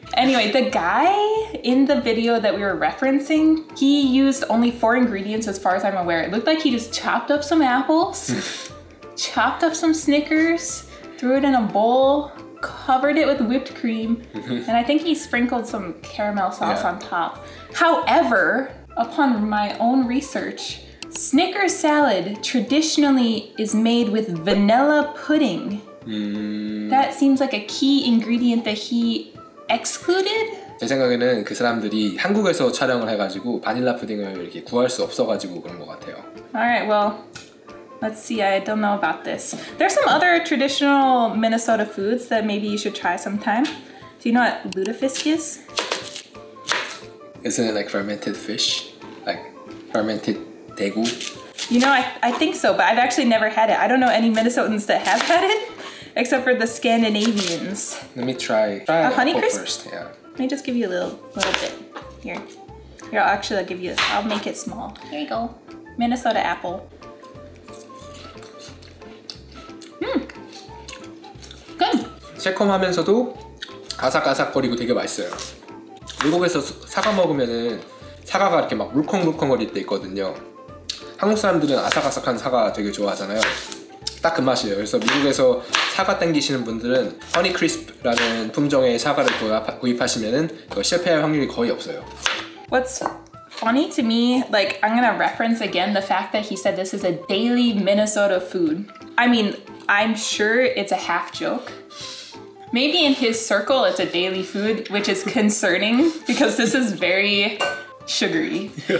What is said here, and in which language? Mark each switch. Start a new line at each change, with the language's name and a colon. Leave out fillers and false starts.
English: Anyway, the guy in the video that we were referencing, he used only 4 ingredients as far as I'm aware. It looked like he just chopped up some apples, chopped up some Snickers, threw it in a bowl, covered it with whipped cream, and I think he sprinkled some caramel sauce on top. However, upon my own research, Snickers salad traditionally is made with vanilla pudding. That seems like a key ingredient that he excluded?
Korean: 제 생각에는 그 사람들이 한국에서 촬영을 해가지고 바닐라 푸딩을 이렇게 구할 수 없어가지고 그런 것 같아요.
English: Alright, well, let's see. I don't know about this. There's some other traditional Minnesota foods that maybe you should try sometime. Do you know what lutefisk is? Isn't it like fermented fish? Like fermented 대구? You know, I think so, but I've actually never had it. I don't know any Minnesotans that have had it. Except for the Scandinavians. Let me try a honey crisp first. Yeah. Let me just give you a little bit. Here. Here, I'll make it small. Here you go. Minnesota apple. Good.
Korean: 새콤하면서도 아삭아삭거리고 되게 맛있어요. 미국에서 사과 먹으면은 사과가 이렇게 막 물컹물컹거릴 때 있거든요. 한국 사람들은 아삭아삭한 사과 되게 좋아하잖아요. 딱 그 맛이에요. 그래서 미국에서 사과 땡기시는 분들은 허니크리스프라는 품종의 사과를 구입하시면은 실패할 확률이 거의 없어요.
English: What's funny to me, like I'm gonna reference again the fact that he said this is a daily Minnesota food. I mean, I'm sure it's a half joke. Maybe in his circle it's a daily food, which is concerning because this is very sugary.